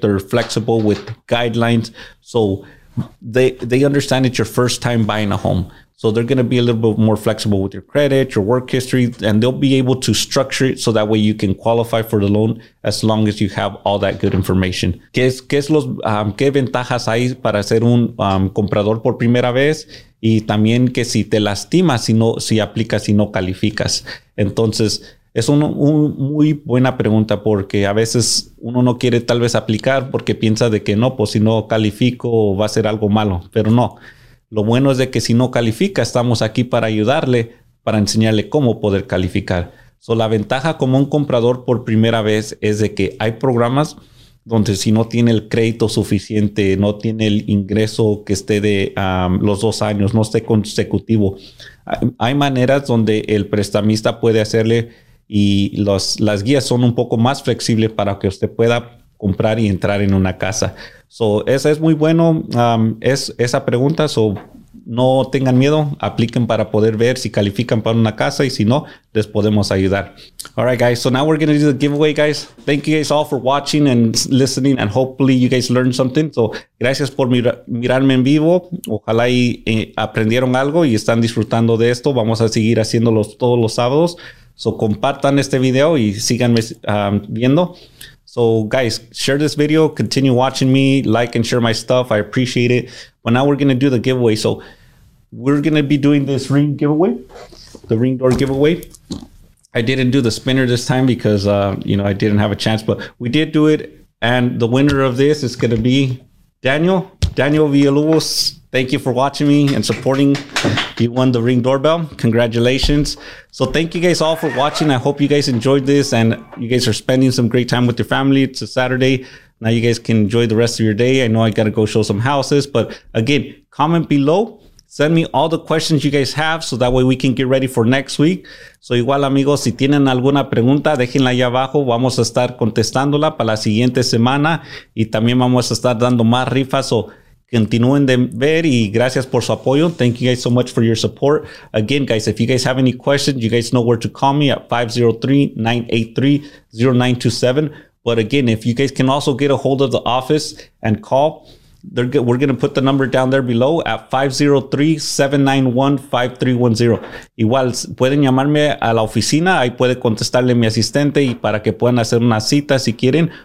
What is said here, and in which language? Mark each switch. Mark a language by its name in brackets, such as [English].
[English] They're flexible with guidelines. So they understand it's your first time buying a home. So they're going to be a little bit more flexible with your credit, your work history, and they'll be able to structure it so that way you can qualify for the loan as long as you have all that good information. [Spanish] ¿Qué ventajas hay para ser un comprador por primera vez? Y también que si te lastimas, si aplicas y no calificas. Entonces, Es una muy buena pregunta porque a veces uno no quiere tal vez aplicar porque piensa de que no, pues si no califico va a ser algo malo. Pero no, lo bueno es de que si no califica, estamos aquí para ayudarle, para enseñarle cómo poder calificar. So, la ventaja como un comprador por primera vez es de que hay programas donde si no tiene el crédito suficiente, no tiene el ingreso que esté de los 2 años, no esté consecutivo. Hay maneras donde el prestamista puede hacerle y las guías son un poco más flexibles para que usted pueda comprar y entrar en una casa. So, esa es muy bueno. Esa pregunta. So, no tengan miedo. Apliquen para poder ver si califican para una casa y si no, les podemos ayudar. [English] All right, guys. So now we're going to do the giveaway, guys. Thank you guys all for watching and listening and hopefully you guys learned something. [Spanish] So gracias por mirarme en vivo. Ojalá y aprendieron algo y están disfrutando de esto. Vamos a seguir haciéndolo todos los sábados. So compartan este video y síganme viendo. [English] So guys, share this video, continue watching me, like and share my stuff. I appreciate it. But now we're going to do the giveaway. So we're going to be doing this ring giveaway, the ring door giveaway. I didn't do the spinner this time because, you know, I didn't have a chance, but we did do it. And the winner of this is going to be Daniel Villalobos. Thank you for watching me and supporting. You won the ring doorbell. Congratulations. So thank you guys all for watching. I hope you guys enjoyed this and you guys are spending some great time with your family. It's a Saturday. Now you guys can enjoy the rest of your day. I know I got to go show some houses, but again, comment below. Send me all the questions you guys have so that way we can get ready for next week. [Spanish] So igual, amigos, si tienen alguna pregunta, déjenla ahí abajo. Vamos a estar contestándola para la siguiente semana y también vamos a estar dando más rifas. So continúen de ver y gracias por su apoyo. [English] Thank you guys so much for your support. Again, guys, if you guys have any questions, you guys know where to call me at 503-983-0927. But again, if you guys can also get a hold of the office and call, we're going to put the number down there below at 503-791-5310. [Spanish] Igual, pueden llamarme a la oficina. Ahí puede contestarle mi asistente y para que puedan hacer una cita si quieren.